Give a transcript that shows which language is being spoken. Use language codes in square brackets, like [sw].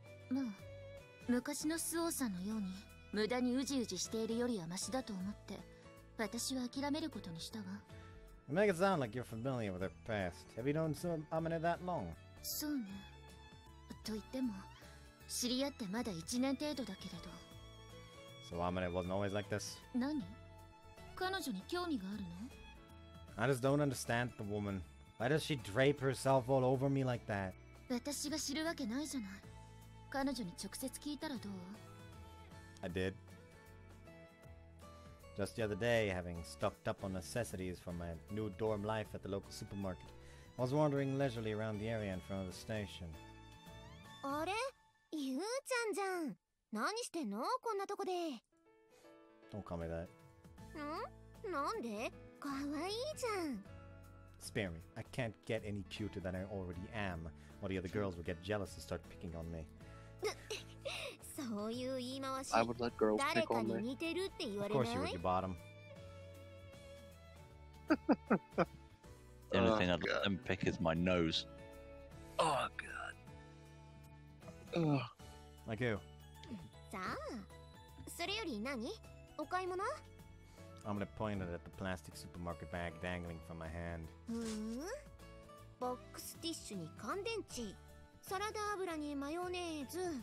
[ja] まあ、昔のスオさんのように無駄にうじうじしているよりはマシだと思って、私は諦めることにしたわ. [en] You make it sound like you're familiar with her past. Have you known Amina that long? [ja] そうね。と言っても、知り合ってまだ1年程度だけれど。 [en] So Amina wasn't always like this? [ja] 何?彼女に興味があるの? [en] I just don't understand the woman. Why does she drape herself all over me like that? [ja] 私が知るわけないじゃない。彼女に直接聞いたらどう? [en] I did. Just the other day, having stocked up on necessities for my new dorm life at the local supermarket, I was wandering leisurely around the area in front of the station. [ja] あれ?ゆうちゃんじゃん!何してんの?こんなとこで! [en] Don't call me that. [ja] ん?なんで?かわいいじゃん! [en] Spare me. I can't get any cuter than I already am, or the other girls will get jealous and start picking on me. [ja] そういう言い回し [en] I would let girls pick on me. Of course you would, you bottom. The only thing I'd let them pick is my nose. Oh god. Ugh. Like who? [ja] さあ、それより何?お買い物? [en] I'm gonna point it at the plastic supermarket bag dangling from my hand. [ja] ボックスティッシュに乾電池 サラダ油にマヨネーズ